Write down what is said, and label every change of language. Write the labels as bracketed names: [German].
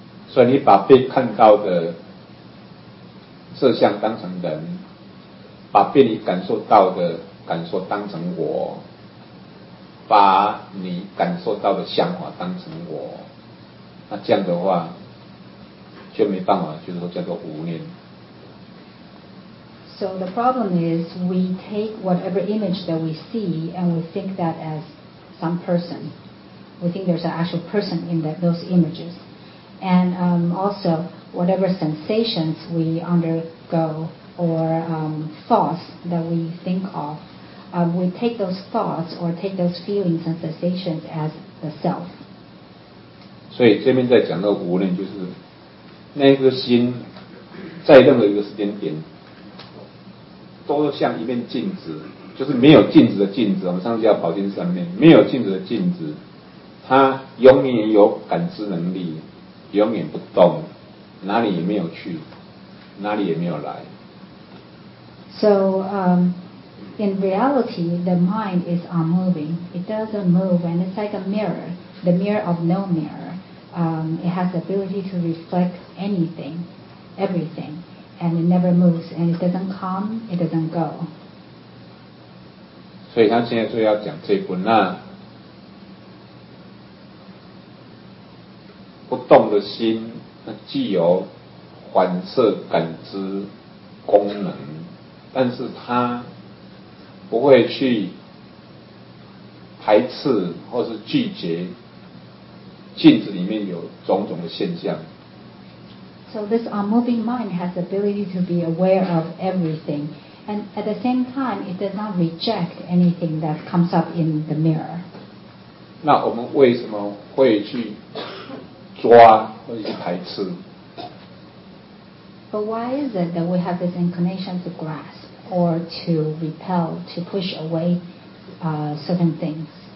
[English] So you [Chinese] 把被看到的色相当成人，把被你感受到的感受当成我，把你感受到的想法当成我，那这样的话就没办法，就是说叫做无念。 [English] So the problem is we take whatever image that we see and we think that as some person. We think there's an actual person in that, those images. And also whatever sensations we undergo or thoughts that we think of, we take those thoughts or take those feelings and sensations as the self. [Chinese] 所以这边在讲到无论就是那个心在任何一个时间点都像一面镜子，就是没有镜子的镜子，我们上次叫宝镜三面，没有镜子的镜子，它永远有感知能力，永远不动，哪里也没有去，哪里也没有来。 [English] So in reality the mind is unmoving, it doesn't move, and it's like a mirror, the mirror of no mirror. It has the ability to reflect anything, everything, and it never moves, and it doesn't come, it doesn't go. [Chinese] 所以他现在就要讲这一部，那不动的心，那既有反射感知功能，但是它不会去排斥或是拒绝镜子里面有种种的现象。 [English] So this unmoving mind has the ability to be aware of everything, and at the same time, it does not reject anything that comes up in the mirror. [Chinese] 那我们为什么会去抓或者去排斥？ [English] But why is it that we have this inclination to grasp or to repel, to push away certain things?